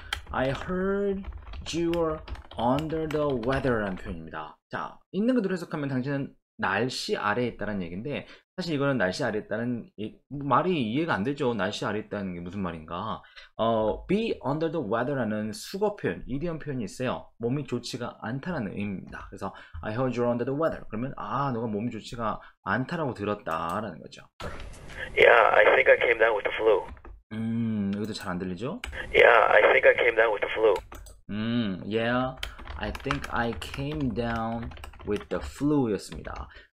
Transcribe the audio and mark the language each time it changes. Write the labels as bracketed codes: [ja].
[en] I heard you were under the weather라는 [ko] 표현입니다. 자, 있는 그대로 해석하면 당신은 날씨 아래에 있다는 얘기인데, 사실 이거는 날씨 아래에 있다는 말이 이해가 안 되죠. 날씨 아래에 있다는 게 무슨 말인가? [en] Be under the weather [ko] 라는 수거 표현, 이디엄 표현이 있어요. 몸이 좋지가 않다라는 의미입니다. 그래서 [en] I heard you're under the weather. [ko] 그러면 아, 너가 몸이 좋지가 않다라고 들었다라는 거죠. [en] Yeah, I think I came down with the flu. [ko] 여기도 잘안 들리죠? [en] Yeah, I think I came down with the flu. Yeah, I think I came down with the flu였습니다.